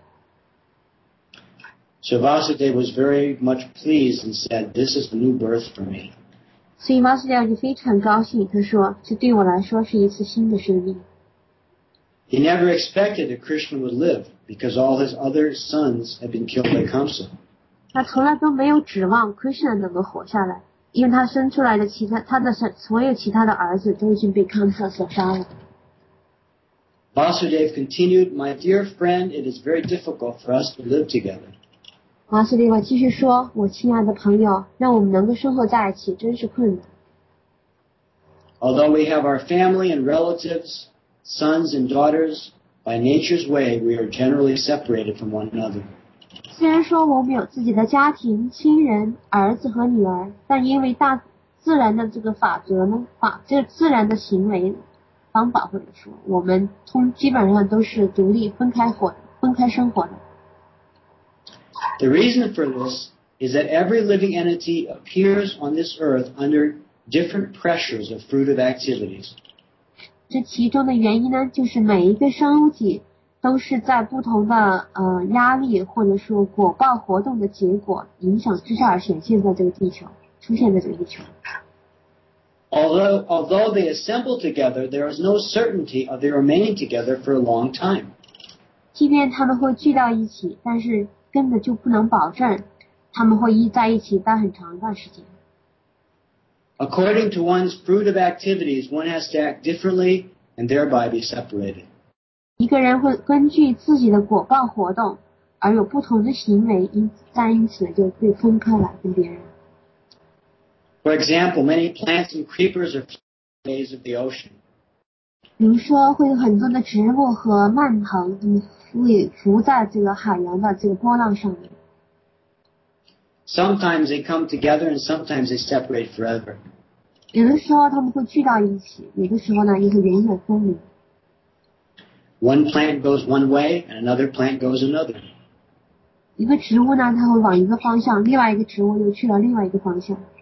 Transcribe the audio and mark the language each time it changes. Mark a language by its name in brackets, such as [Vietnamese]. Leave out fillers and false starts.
[English] Vasudev was very much pleased and said, "This is a new birth for me." [Chinese] 所以Vasudev就非常高兴，他说，这对我来说是一次新的生命。He [English] never expected that Krishna would live because all his other sons had been killed by Kamsa. [Chinese] 他从来都没有指望Krishna能够活下来。因为他生出来的其他，他的所有其他的儿子都已经被康特所杀了。 [English] Vasudev continued, my dear friend, it is very difficult for us to live together. [Chinese] Vasudeva 继续说，我亲爱的朋友，让我们能够生活在一起真是困难。 [English] Although we have our family and relatives, sons and daughters, by nature's way, we are generally separated from one another. [Chinese] 虽然说我们有自己的家庭、亲人、儿子和女儿，但因为大自然的这个法则呢，法这自然的行为方法或者说，我们通基本上都是独立分开活、分开生活的。 [English] The reason for this is that every living entity appears on this earth under different pressures of fruitive activities. [Chinese] 这其中的原因呢，就是每一个生物体都是在不同的压力或者说果报活动的结果影响之下显现在这个地球，出现在这个地球。 [English] Although they assemble together, there is no certainty of their remaining together for a long time. [Chinese] 即便他们会聚到一起，但是根本就不能保证他们会在一起待很长一段时间。 [English] According to one's fruitive activities, one has to act differently and thereby be separated. [Chinese] 一个人会根据自己的果报活动而有不同的行为，因此就被分开了跟别人。 [English] For example, many plants and creepers are flies of the ocean. [Chinese] 比如说会有很多的植物和蔓藤会浮在这个海洋的这个波浪上面。 [English] Sometimes they come together and sometimes they separate forever. [Chinese] 有的时候他们会聚到一起，有的时候呢又会远远分离。 [English] One plant goes one way and another plant goes another. [Chinese] 一个植物呢它会往一个方向，另外一个植物又去了另外一个方向。